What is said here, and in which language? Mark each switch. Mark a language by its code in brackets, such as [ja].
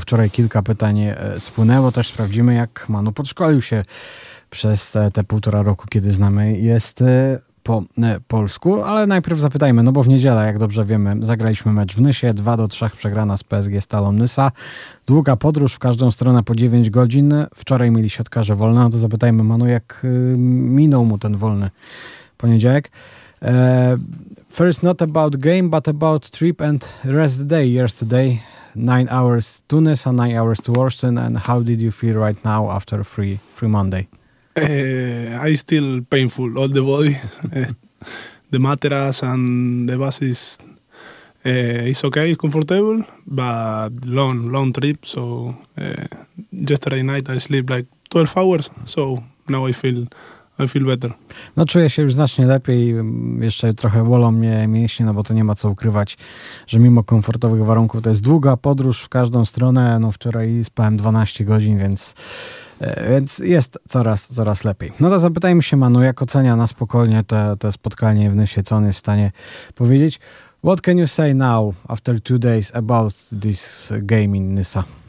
[pl] Wczoraj kilka pytań spłynęło, też sprawdzimy, jak Manu podszkolił się przez te półtora roku, kiedy znamy jest po polsku. Ale najpierw zapytajmy, no bo w niedzielę, jak dobrze wiemy, zagraliśmy mecz w Nysie, 2-3 przegrana z PSG Stalą Nysa. Długa podróż w każdą stronę po 9 godzin. Wczoraj mieli siatkarze wolne, no to zapytajmy Manu, jak minął mu ten wolny poniedziałek. [en] First, not about game, but about trip and rest day yesterday. 9 hours to Nysa, 9 hours to Warsztyn. And how did you feel right now after free Monday? I still painful, all the body. The mattress and the bus is okay, it's comfortable, but long trip. So yesterday night I sleep like 12 hours, so now I feel better. [pl] No, czuję się już znacznie lepiej. Jeszcze trochę bolą mnie mięśnie, no bo to nie ma co ukrywać, że mimo komfortowych warunków to jest długa podróż w każdą stronę. No wczoraj spałem 12 godzin, więc jest coraz lepiej. No to zapytajmy się Manu, jak ocenia na spokojnie te spotkanie w Nysie, co on jest w stanie powiedzieć. [en] What can you say now after 2 days about this game in Nysa?